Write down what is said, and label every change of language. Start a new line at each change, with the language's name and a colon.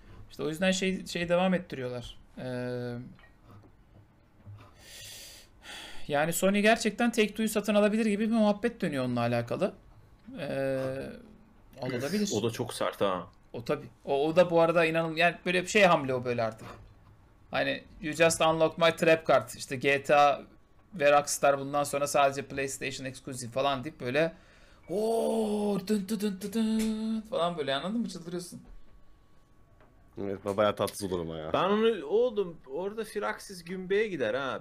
Turkish: İşte o yüzden şey devam ettiriyorlar. Yani Sony gerçekten Take-Two'yu satın alabilir gibi bir muhabbet dönüyor onunla alakalı. O Alabilir. da çok sert ha. O tabii. O da bu arada inanın yani böyle bir şey hamle o böyle artık. Hani
English: you just unlocked my trap card.
Turkish: İşte GTA ve Rockstar bundan sonra sadece PlayStation Exclusive falan deyip böyle ooo dın dın dın dın falan böyle anladın mı? Çıldırıyorsun. Evet, bayağı tatsız olurum ya. Ben onu oğlum orada Firaxis Gümbe'ye gider ha.